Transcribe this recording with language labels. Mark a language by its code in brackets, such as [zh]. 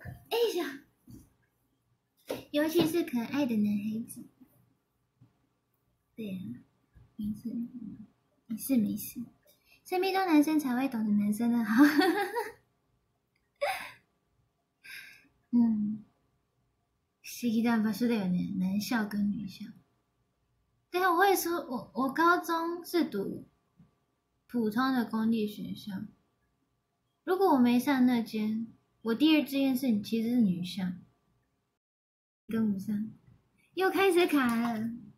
[zh] 哎呀。尤其是可爱的男孩子，对啊，没事，身边都男生才会懂得男生的好。 [ja] 不思議だ場所だよね， [zh] 男校跟女校。对啊，我也说，我高中是读普通的公立学校，如果我没上那间，我第二志愿是其实是女校。跟不上，又开始卡了。